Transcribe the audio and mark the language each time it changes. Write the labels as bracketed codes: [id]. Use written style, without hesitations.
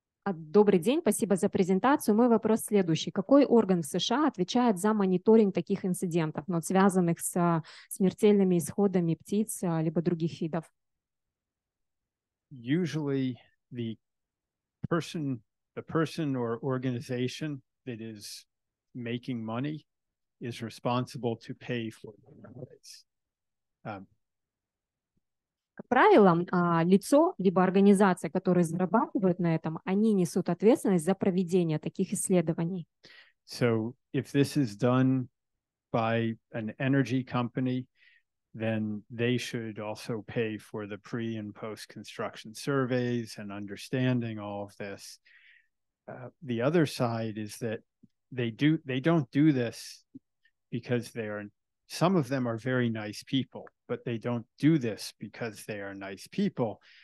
[ru] Добрый день, спасибо за презентацию. Мой вопрос следующий. Какой орган в США отвечает за мониторинг таких инцидентов, но связанных с смертельными исходами птиц либо других видов? [en] Usually the person or organization that is making money is responsible to pay for the noise. [ru] Как правило, лицо либо организация, которые зарабатывают на этом, они несут ответственность за проведение таких исследований. [en] So if this is done by an energy company, then they should also pay for the pre and post construction surveys and understanding all of this. The other side is that they don't do this because they are, some of them are very nice people, but they don't do this because they are nice people.